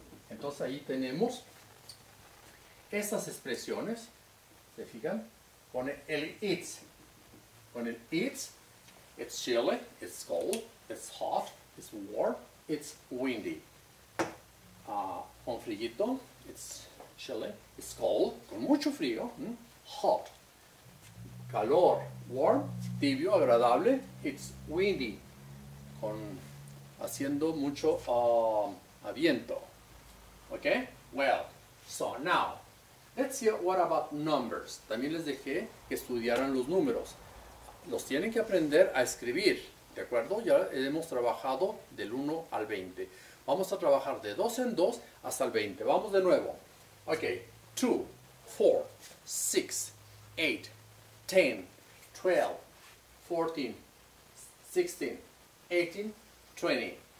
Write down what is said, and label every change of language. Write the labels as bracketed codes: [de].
[es] Entonces ahí tenemos estas expresiones. ¿Se fijan? Pone el [en] it's. [es] Con el [en] it's, it's chilly, it's cold, it's hot, it's warm, it's windy. [es] Con frillito, [en] it's chilly, it's cold, [es] con mucho frío, [en] hot, [es] calor, [en] warm, [es] tibio, agradable, [en] it's windy, [es] con haciendo mucho viento. [en] Okay, well, so now, let's see what about numbers. [es] También les dejé que estudiaran los números. Los tienen que aprender a escribir, ¿de acuerdo? Ya hemos trabajado del 1 al 20. Vamos a trabajar de 2 en 2 hasta el 20. Vamos de nuevo. Ok. 2, 4, 6, 8, 10, 12, 14, 16, 18, 20.